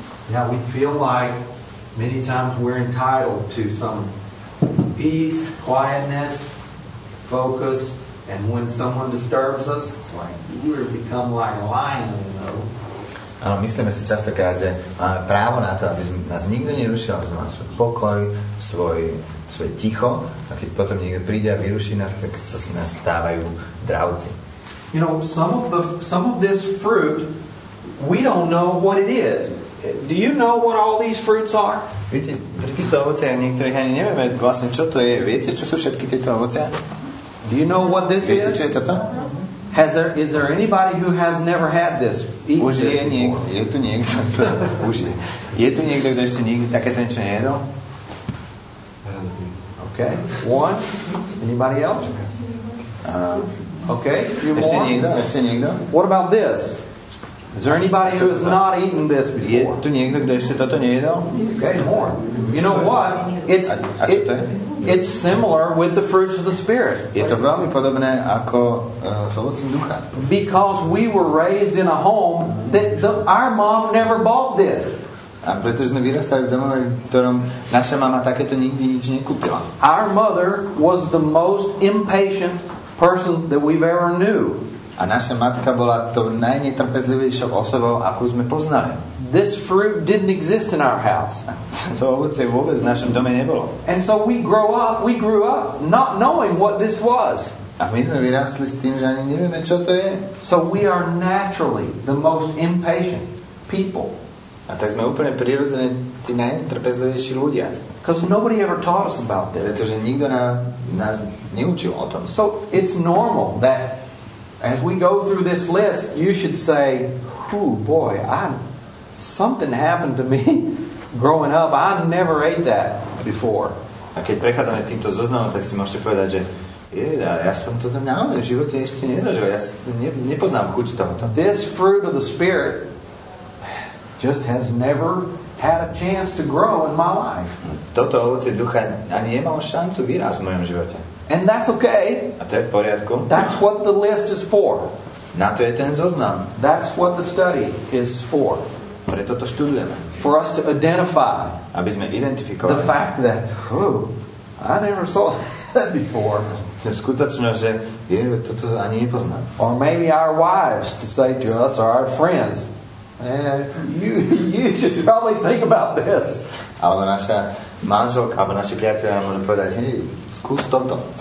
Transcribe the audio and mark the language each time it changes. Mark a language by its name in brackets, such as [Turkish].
[English] Yeah, we feel like many times we're entitled to some peace, quietness, focus, and when someone disturbs us, it's like we become like a lion, you know. [Slovak] Áno, myslíme si častokrát, že máme právo na to, aby nás nikto nerušil, aby sme mali svoj pokoj, svoje ticho, a keď potom niekto príde a vyruší nás, tak sa s nás stávajú dravci. [English] You know, some of this fruit, we don't know what it is. Do you know what all these fruits are? [Slovak] Viete, pri týchto ovocia niektorých ani nevieme vlastne, čo to je. Viete, čo sú všetky tieto ovocia? [English] Do you know what this [Slovak] Viete, [English] is? [Slovak] Viete, čo je toto? [English] Is there anybody who has never had this? [Slovak] Už je niekto, je tu niekto, už je. Je tu niekto, kto ešte nikdy takéto niečo nejedol? [English] Okay, one. Anybody else? Okay, few more. [Slovak] Ešte niekto? [English] What about this? Is there anybody who has not eaten this before? [Slovak] Je tu niekto, kto ešte toto nejedol? [English] Okay, more. You know what? It's similar with the fruits of the Spirit. [Slovak] Je to veľmi podobné ako s ovocím ducha. [English] Because we were raised in a home that our mom never bought this. [Slovak] A pretože sme vyrastali v domove, v ktorom naša mama takéto nikdy nič nekúpila. [English] Our mother was the most impatient person that we've ever knew. [Slovak] A naša matka bola to najnetrpezlivejšou osobou, akú sme poznali. [English] This fruit didn't exist in our house. [Slovak] To ovoce vôbec v našom dome nebolo. [English] And so we grew up not knowing what this was. [Slovak] A my sme vyrastli s tým, že ani nevieme, čo to je. [English] So we are naturally the most impatient people. [Slovak] A tak sme úplne prirodzene tí najnetrpezlivejší ľudia. [English] Because nobody ever taught us about this. [Slovak] Pretože nikto nás neučil o tom. [English] So it's normal that as we go through this list, you should say, "Ooh, boy, something happened to me growing up. I never ate that before." [Slovak] A keď prechádzame týmto zoznamom, tak si môžete povedať, že ja som to tam naozaj v živote ešte nezažil. Ja nepoznám chuť tohoto. [English] This fruit of the Spirit just has never had a chance to grow in my life. [Slovak] Toto ovocie ducha ani nemalo šancu vyrásť v mojom živote. [English] And that's okay. [Slovak] A to je v poriadku. [English] That's what the list is for. [Slovak] Na to je ten zoznam. [English] That's what the study is for. [Slovak] Preto to študujeme. [English] For us to identify. [Slovak] Aby sme identifikovali. [English] The fact that, I never saw that before. [Slovak] To je skutočnosť, že toto ani nepoznám. [English] Or maybe our wives to say to us or our friends, you should probably think about this. [Slovak] Alebo naša manželka, alebo naši priatelia môžu povedať, hej, skús toto.